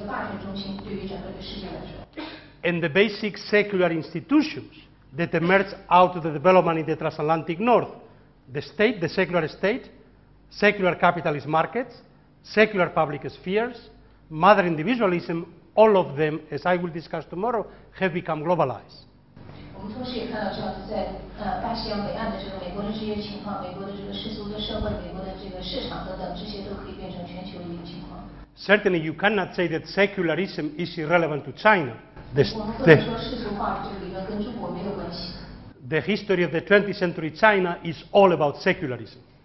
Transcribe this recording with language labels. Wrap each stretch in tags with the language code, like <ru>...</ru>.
<zh>但是我们同样也可以说，就是这个也很可能是大西洋两岸的这个辩论变成一个中心，变成一个霸权中心，对于整个这个世界来说。</zh> <en>And the basic secular institutions that emerged out of the development in the transatlantic north, the state, the secular state, secular capitalist markets, secular public spheres, mother individualism, all of them, as I will discuss tomorrow, have become globalized.</en> <zh>我们同时也看到，像在大西洋北岸的这个美国的这些情况，美国的这个世俗的社会，美国的这个市场等等，这些都可以变成全球的一个情况。</zh> <en>Certainly, you cannot say that secularism is irrelevant to China.</en> <zh>我们不能说世俗化这个理论跟中国没有关系。</zh> <en>The history of the 20th century China is all about secularism.</en>